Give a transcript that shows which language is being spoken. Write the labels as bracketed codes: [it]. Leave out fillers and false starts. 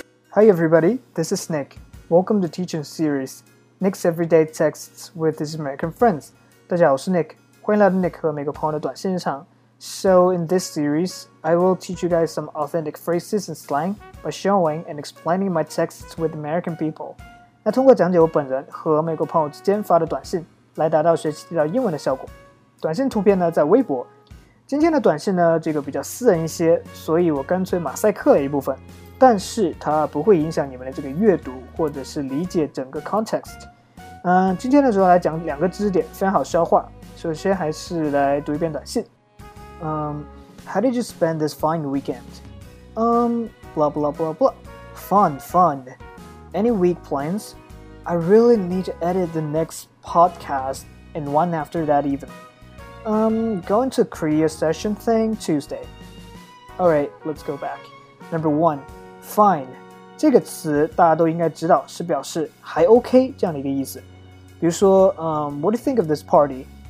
[en] Hi everybody, this is Nick. Welcome to Teaching Series, Nick's Everyday Texts with his American Friends. [zh] 大家好，我是 Nick， 欢迎来到 Nick 和美国朋友的短信日常。 [en] So in this series, I will teach you guys some authentic phrases and slang by showing and explaining my texts with American people. [zh] 那通过讲解我本人和美国朋友之间发的短信，来达到学习地道英文的效果。短信图片呢在微博。今天的短信呢，这个比较私人一些，所以我干脆马赛克了一部分。但是它不会影响你们的这个阅读或者是理解整个 context。今天的时候来讲两个知识点，非常好消化。首先还是来读一遍短信。 [en] How did you spend this fine weekend? Blah blah blah blah. Fun, fun. Any week plans? I really need to edit the next podcast and one after that even. Going to Korea session thing Tuesday. Alright, let's go back. Number one. [zh] Fine 这个词大家都应该知道是表示还 OK 这样的一个意思，比如说 [en] What do you think of this party?